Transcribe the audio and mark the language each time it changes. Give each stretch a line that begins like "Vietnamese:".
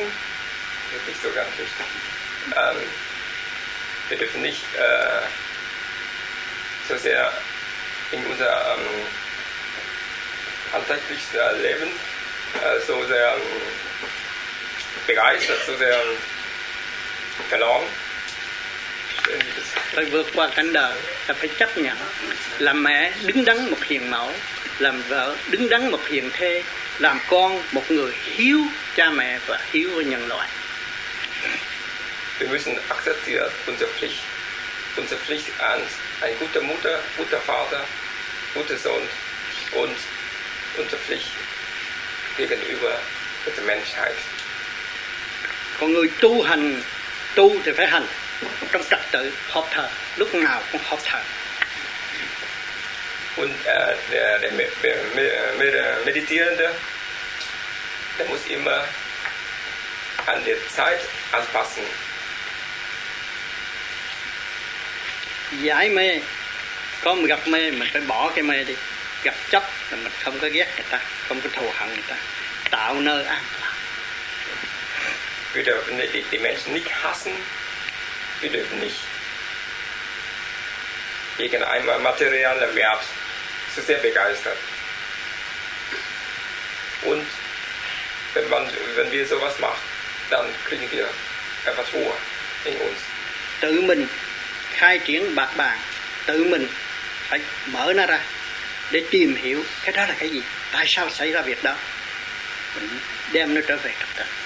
German: Das ist nicht so ganz richtig. Wir dürfen nicht so sehr in unser alltägliches Leben so sehr begeistert, so sehr verloren.
Vietnamese: Phải vượt qua cảnh đời là phải chấp nhận. Làm mẹ đứng đắn một hiền mẫu, làm vợ đứng đắn một hiền thê, làm con một người hiếu cha mẹ và hiếu nhân loại.
German: Wir müssen akzeptieren unsere Pflicht als ein guter Mutter, guter Vater, guter Sohn und unsere Pflicht gegenüber der Menschheit.
Vietnamese: Con người tu hành, tu thì phải hành trong trật tự hợp thờ, lúc nào cũng hợp thờ.
German: Und der meditierende, der muss immer an der Zeit anpassen.
Vietnamese: Giải mê, có mình gặp mê mình phải bỏ cái mê đi. Gặp chấp là mình không có ghét người ta, không có thù hận người ta, tạo nơi an lạc.
German: Wir dürfen die Menschen nicht hassen. Wir dürfen nicht gegen einen materiellen Wert so sehr begeistert. Und wenn wir sowas machen, dann kriegen wir etwas Ruhe in uns.
Vietnamese: Tự mình khai triển bạc bàng, tự mình phải mở nó ra để tìm hiểu cái đó là cái gì, tại sao xảy ra việc đó, mình đem nó trở về trật tự.